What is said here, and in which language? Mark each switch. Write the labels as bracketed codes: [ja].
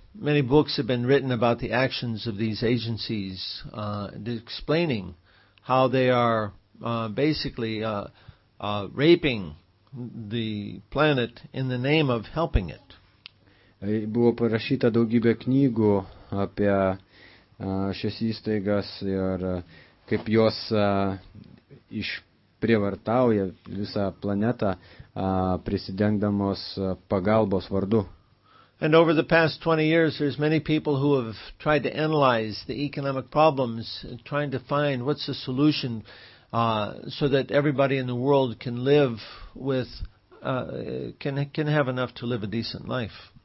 [en] Many books have been written about the actions of these agencies, explaining how they are basically raping the planet in the name of helping it. [lt] Buvo parašyta daugybė knygų apie šias įstaigas ir kaip jos išprievartauja visą planetą prisidengdamos pagalbos vardu. [en] And over the past 20 years, there's many people who have tried to analyze the economic problems, trying to find what's the solution so that everybody in the world can live with, can have enough to live a decent life.